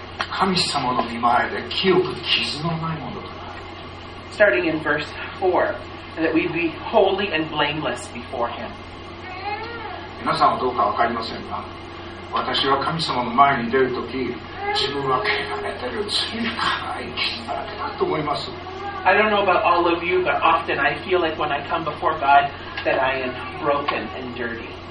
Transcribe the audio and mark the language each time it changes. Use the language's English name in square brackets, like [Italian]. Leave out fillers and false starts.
[Japanese] 神様の御前で清く傷のないものとなる。 [English] Starting in verse 4, that we be holy and blameless before Him. [Japanese] 皆さんはどうか分かりませんが、私は神様の前に出るとき、自分は汚れてる、罪深い傷だらけだと思います。 [English] I don't know about all of you, but often I feel like when I come before God that I am broken and dirty.